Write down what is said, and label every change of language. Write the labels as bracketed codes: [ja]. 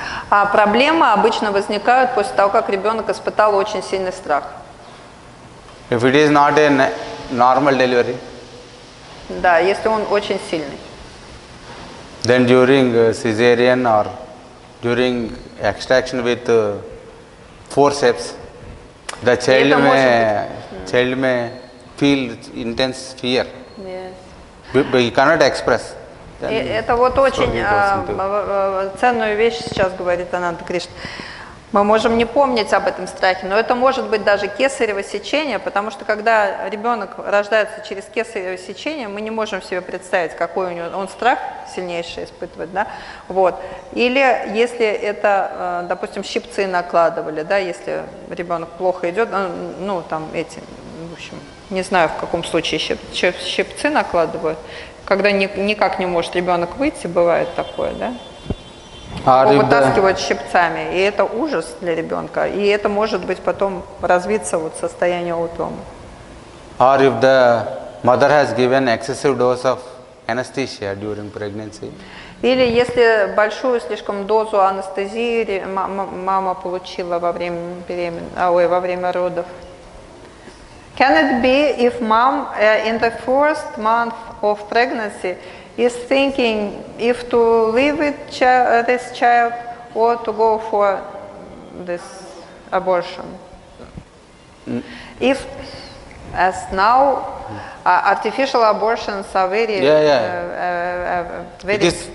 [ru] А проблемы обычно возникают после того, как ребенок испытал очень сильный страх. [en] If it is not a normal delivery. [ru] Да, если он очень сильный. [en] Then during cesarean or during extraction with forceps, the child may feel intense fear. Yes. But he cannot express. [ru] И это вот очень ценную вещь сейчас говорит Ананда Кришна. Мы можем не помнить об этом страхе, но это может быть даже кесарево сечение, потому что когда ребенок рождается через кесарево сечение, мы не можем себе представить, какой у него он страх сильнейший испытывает, да? Вот. Или если это, допустим, щипцы накладывали, да, если ребенок плохо идет, ну, там эти, в общем, не знаю, в каком случае щипцы накладывают. Когда никак не может ребенок выйти, бывает такое, да? Вытаскивают щипцами, и это ужас для ребенка, и это может быть потом развиться вот состояние утома. [en] Or if the mother has given excessive dose of anesthesia during pregnancy. [ru] Или если большую слишком дозу анестезии мама получила во время во время родов. [en] Can it be if mom in the first month of pregnancy is thinking if to leave it this child or to go for this abortion? If as now artificial abortions are very very